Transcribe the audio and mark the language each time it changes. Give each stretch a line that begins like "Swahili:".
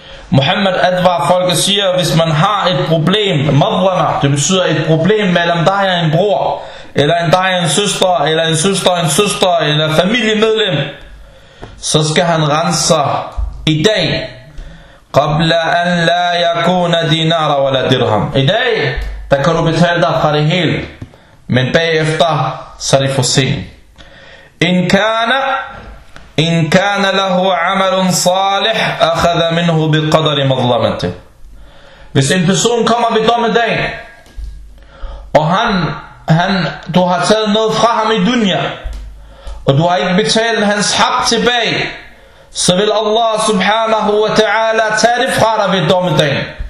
Danish: Muhammad advarer folk og siger, hvis man har et problem, madlama, det betyder et problem mellem dig og en bror, eller en dig og en søster, eller en søster og en søster, eller familiemedlem, så skal han rense sig i dag.
Arabic: قبل أن لا يكون دينار ولا درهم.
Danish: I dag, der kan du betale dig fra det hele, men bagefter, så er det for sent.
Arabic: إن كان له عمل صالح أخذ منه بقدر مظلمته.
Danish: Hvis en person kommer ved dommedag, og han du har taget noget fra ham i dunya, og du har ikke betalt hans hak tilbage, så vil Allah subhanahu wa ta'ala tage det fra dig ved dommedagen.